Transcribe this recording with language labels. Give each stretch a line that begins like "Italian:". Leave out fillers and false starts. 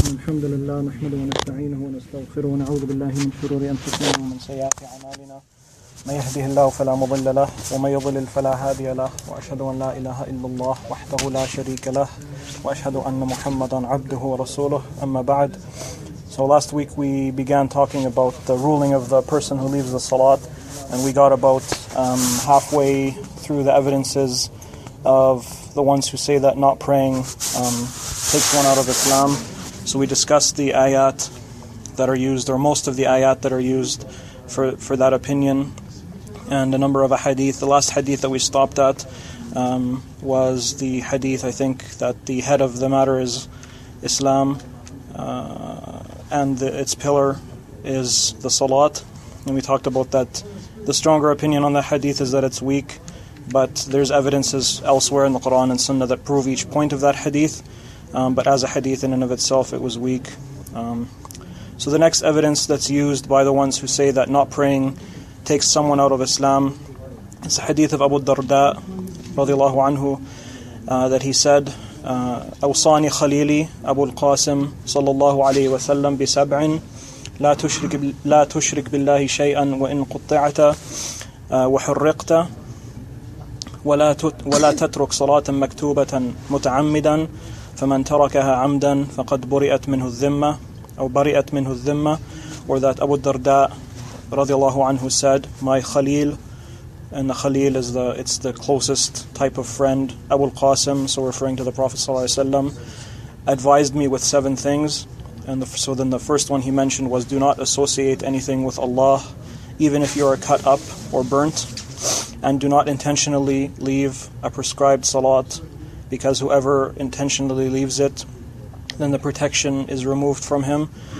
Arabic: الحمد لله نحمده ونستعينه ونستغفره ونعوذ بالله من شرور أنفسنا ومن سيئات أعمالنا من يهده الله فلا مضل له ومن يضلل فلا هادي له وأشهد أن لا إله إلا الله وحده لا شريك له وأشهد أن محمدا عبده ورسوله أما بعد.
English: So last week we began talking about the ruling of the person who leaves the salat, and we got about halfway through the evidences of the ones who say that not praying takes one out of Islam. So we discussed the ayat that are used, or most of the ayat that are used for that opinion, and a number of ahadith. The last hadith that we stopped at was the hadith, I think, that the head of the matter is Islam, and its pillar is the salat. And we talked about that the stronger opinion on the hadith is that it's weak, but there's evidences elsewhere in the Quran and Sunnah that prove each point of that hadith. But as a hadith in and of itself, it was weak. So the next evidence that's used by the ones who say that not praying takes someone out of Islam is a hadith of Abu Darda, radiallahu anhu, that he said,
Arabic: أوصاني خليلي أبو القاسم صلى الله عليه وسلم بسبع لا تشرك بالله شيئا وإن قطعت وحرقت ولا تترك صلاة مكتوبة متعمدا فمن تركها عمدا فقد برئت منه الذمة أو برئت منه الذمة.
English: Or that Abu Darda radiallahu anhu said, my khalil, and the khalil is the closest type of friend, Abu al-Qasim, so referring to the Prophet sallallahu alaihi wasallam, advised me with seven things. And so then the first one he mentioned was, do not associate anything with Allah even if you are cut up or burnt, and do not intentionally leave a prescribed salat, because whoever intentionally leaves it, then the protection is removed from him.